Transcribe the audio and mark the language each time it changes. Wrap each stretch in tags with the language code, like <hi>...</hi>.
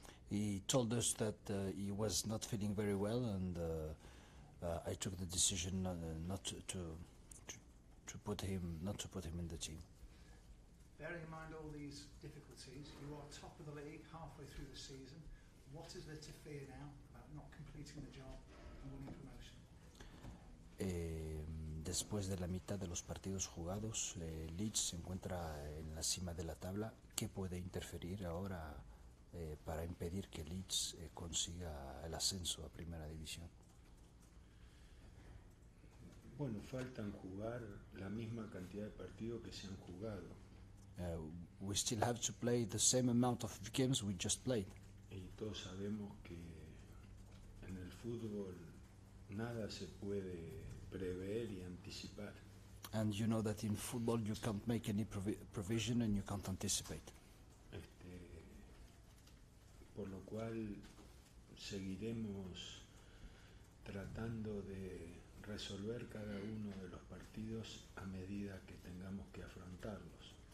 <en>He told us that he was not feeling very well and I took the decision not to put him in the team. Bearing in mind all these difficulties, you are top of the league halfway through the season. What is there to fear now about not completing the job and winning promotion?</en> <es>Después de la mitad de los partidos jugados, Leeds se encuentra en la cima de la tabla. ¿Qué puede interferir ahora para impedir que Leeds consiga el ascenso a Primera División? Bueno, faltan jugar la misma cantidad de partidos que se han jugado.</es> <en>We still have to play the same amount of games we just played.</en> <es>Y todos sabemos que en el fútbol nada se puede prever y anticipar.</es> <en>And you know that in football you can't make any provision and you can't anticipate.</en> <es>Por lo cual seguiremos tratando de resolver cada uno de los partidos a medida que tengamos que afrontarlos.</es>